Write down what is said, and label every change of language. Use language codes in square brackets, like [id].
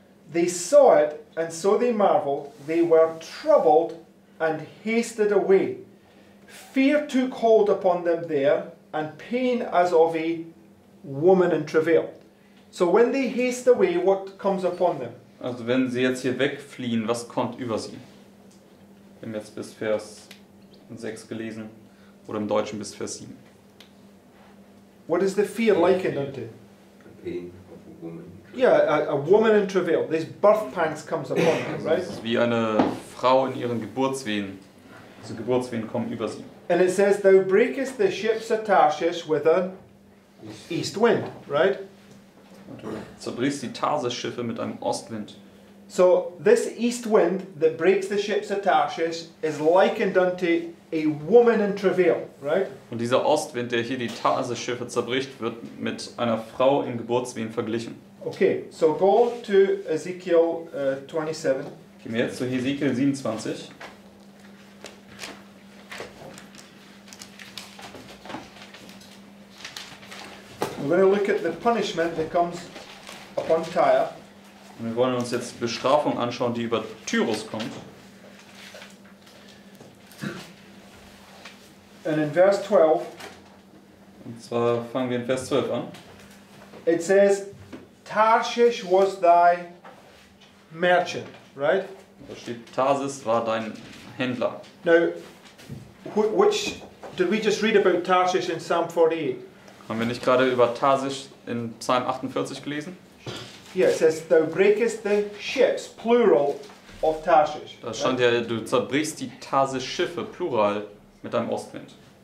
[en] They saw it, and so they marveled, they were troubled and hasted away. Fear took hold upon them there, and pain as of a woman in travail. So when they haste away, what comes upon them? [de] Also wenn sie jetzt hier wegfliehen, was kommt über sie? Wir haben jetzt bis Vers 6 gelesen, oder im Deutschen bis Vers 7. [en] What is the fear likened unto? The pain of a woman. Yeah, a woman in travail. This birth pangs comes upon her, right? It's [de] wie eine Frau in ihren Geburtswehen. Diese Geburtswehen kommen über sie. [en] And it says, thou breakest the ships of Tarshish with an east wind, right? [de] Zerbrichst die Tarsisschiffe mit einem Ostwind. [en] So this east wind that breaks the ships of Tarshish is likened unto a woman in travail, right? [de] Und dieser Ostwind, der hier die Tarsisschiffe zerbricht, wird mit einer Frau im Geburtswehen verglichen. [en] Okay, so go to Ezekiel 27. [de] Gehen wir jetzt zu Ezekiel 27. [en] We're going to look at the punishment that comes upon Tyre. [de] Und wir wollen uns jetzt Bestrafung anschauen, die über Tyrus kommt. [en] And in verse 12, [de] und zwar fangen wir in Vers 12 an. [en] It says, Tarshish was thy merchant, right? [de] Da steht, Tarsis war dein Händler. [en] Now, which did we just read about Tarshish in Psalm 48? [de] Haben wir nicht gerade über Tarsis in Psalm 48 gelesen? [en] Yeah, it says, thou breakest the ships, plural, of Tarshish. [de] Da stand ja, du zerbrichst die Tarsis-Schiffe, plural, mit einem Ostwind.